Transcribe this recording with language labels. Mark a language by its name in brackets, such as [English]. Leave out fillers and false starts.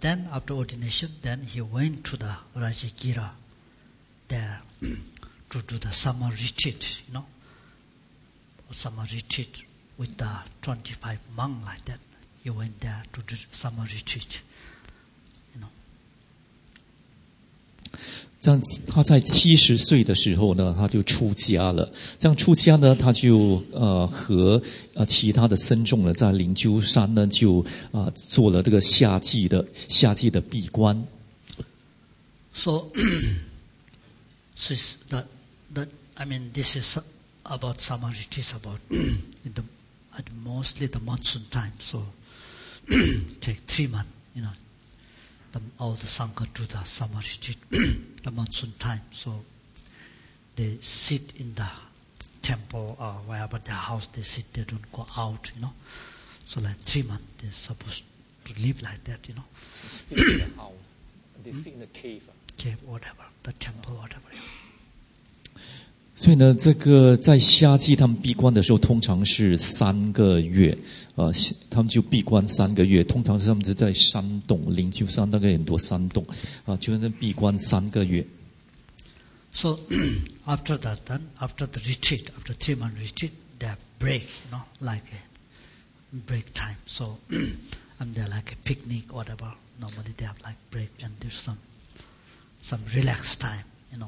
[English] Then after ordination, then he went to the Rajagira there to do the summer retreat, you know, summer retreat with the 25 monk like that. He went there to do summer retreat, you know. [Chinese] 这样他在70岁的时候呢他就出家了。这样出家呢他就和其他的僧众呢在灵鹫山呢就做了这个夏季的闭关。 [English] This is about summer retreat, about mostly the monsoon time, so take 3 months, you know, all the Sangha do the summer retreat. The monsoon time, so they sit in the temple or wherever their house they sit, they don't go out, you know. So like 3 months, they're supposed to live like that, you know. They sit in the house, they sit in the cave, whatever, the temple, whatever. [Chinese] 所以呢，这个在夏季他们闭关的时候，通常是3个月，他们就闭关3个月，通常是他们就在山洞，灵鹫山大概很多山洞，就在那闭关3个月。 [English] So after that, then after the retreat, after 3 month retreat, they break, you know, like a break time. So and they're like a picnic, whatever. Normally they have like break and there's some relax time, you know.